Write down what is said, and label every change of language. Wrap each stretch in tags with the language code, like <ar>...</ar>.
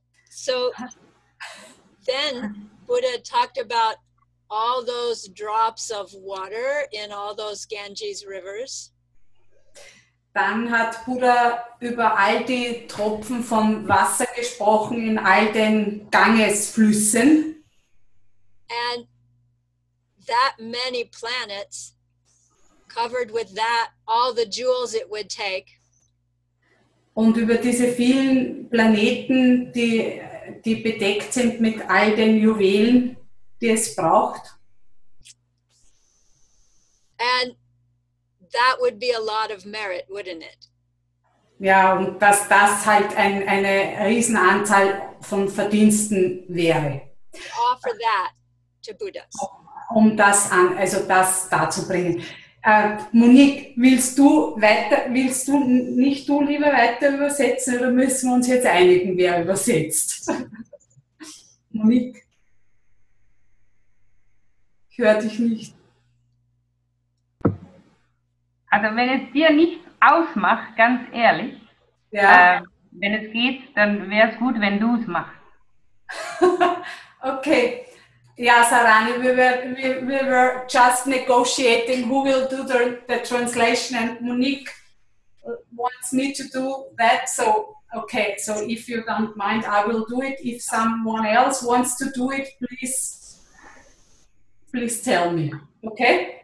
<en>So, then Buddha talked about all those drops of water in all those Ganges rivers.</en> <de>Dann hat Buddha über all die Tropfen von Wasser gesprochen in all den Gangesflüssen.</de> <en>And that many planets covered with that all the jewels it would take.</en> <de>Und über diese vielen Planeten, die bedeckt sind mit all den Juwelen, die es braucht.</de> <en>And that would be a lot of merit, wouldn't it?</en> <de>Ja, und dass das halt eine riesen Anzahl von Verdiensten wäre.</de> <en>Offer that to Buddhas.</en> <de>Um das an, also das dazubringen. Monique, willst du nicht du lieber weiter übersetzen oder müssen wir uns jetzt einigen, wer übersetzt? Monique, ich höre dich nicht. Also wenn es dir nichts ausmacht, ganz ehrlich, ja. Wenn es geht, dann wäre es gut, wenn du es machst. Okay.</de> <en>Ja, Sarani, we were just negotiating who will do the translation, and Monique wants me to do that. So, okay, so if you don't mind, I will do it. If someone else wants to do it, please tell me, okay?</en>